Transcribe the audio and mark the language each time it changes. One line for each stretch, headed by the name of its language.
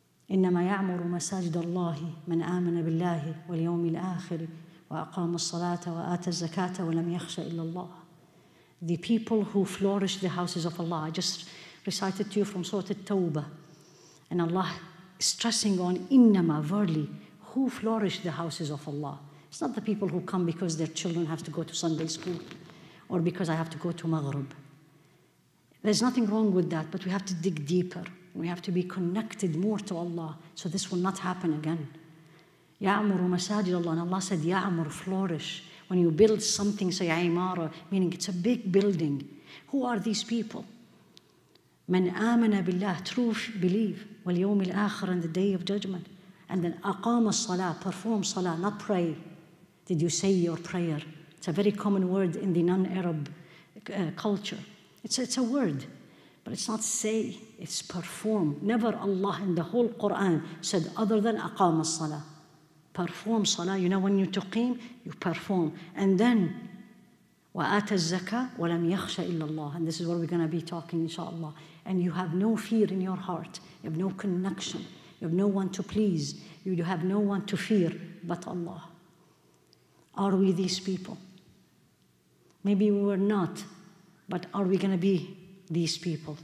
Arabic: إنما يعمر مساجد الله من آمن بالله واليوم الآخر وأقام الصلاة وآتى الزكاة ولم يخش إلا الله.
English: The people who flourish the houses of Allah. I just recited to you from Surah At-Tawbah. And Allah is stressing on إنما, verily, who flourish the houses of Allah. It's not the people who come because their children have to go to Sunday school or because I have to go to Maghrib. There's nothing wrong with that, but we have to dig deeper. We have to be connected more to Allah, so this will not happen again.
Arabic: يَعْمُرُ مَسَاجِدَ اللَّهِ.
English: And Allah said, يَعْمُرُ, flourish. When you build something, say, عِمَارَ, meaning it's a big building. Who are these people?
Arabic: مَنْ آمَنَ بِاللَّهِ,
English: true believe.
Arabic: وَالْيَوْمِ الْآخِرَ,
English: and the day of judgment. And then
Arabic: أَقَامَ الصَّلَاةَ,
English: perform salah, not pray. Did you say your prayer? It's a very common word in the non-Arab culture. It's a word. But it's not say, it's perform. Never Allah in the whole Quran said other than aqam as-salah. Perform salah. You know when you tuqim, you perform. And then,
Arabic: وَآتَ الزَّكَاةَ وَلَمْ يَخْشَ إِلَّا اللَّهِ.
English: And this is what we're going to be talking, inshallah. And you have no fear in your heart. You have no connection. You have no one to please. You have no one to fear but Allah. Are we these people? Maybe we were not, but are we going to be these people?